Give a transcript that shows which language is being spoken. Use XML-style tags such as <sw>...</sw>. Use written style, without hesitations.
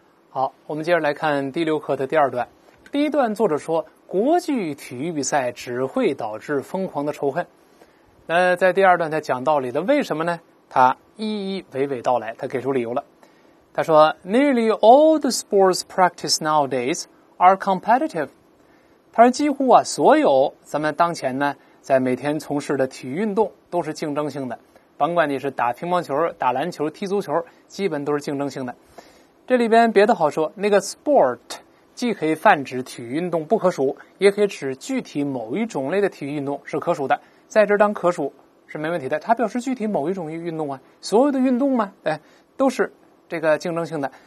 <zh>好，我们接着来看第六课的第二段。第一段作者说，国际体育比赛只会导致疯狂的仇恨。那在第二段他讲道理的，为什么呢？他一一娓娓道来，他给出理由了。他说</zh> <en>,Nearly all the sports practice nowadays are competitive.</en> <zh>他说几乎啊，所有咱们当前呢，在每天从事的体育运动都是竞争性的。甭管你是打乒乓球、打篮球、踢足球，基本都是竞争性的。这里边别的好说，那个 sport 既可以泛指体育运动不可数，也可以指具体某一种类的体育运动是可数的，在这当可数是没问题的，它表示具体某一种运动啊，所有的运动嘛，都是这个竞争性的。</zh>